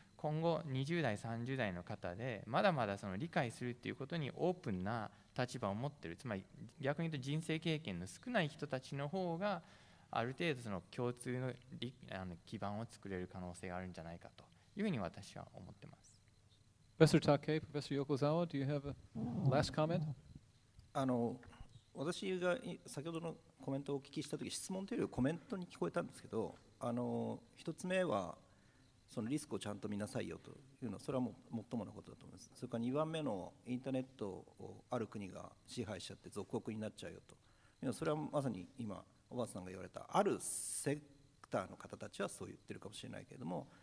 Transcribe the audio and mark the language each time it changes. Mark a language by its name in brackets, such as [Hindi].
[Japanese] 今後20代30代の方でまだまだその理解するっていうことにオープンな立場を持っている、つまり逆に言うと人生経験の少ない人たちの方がある程度その共通 の基盤を作れる可能性があるんじゃないかというふうに私は思っています。 [English] Professor Takei, Professor Yokozawa, do you have a last comment? [Japanese] 私が先ほどのコメントをお聞きしたとき、質問というよりコメントに聞こえたんですけど、一つ目はそのリスクをちゃんと見なさいよというのは、それはもう最もなことだと思います。それから2番目のインターネットをある国が支配しちゃって属国になっちゃうよと、それはまさに今おばあさんが言われた、あるセクターの方たちはそう言ってるかもしれないけれども、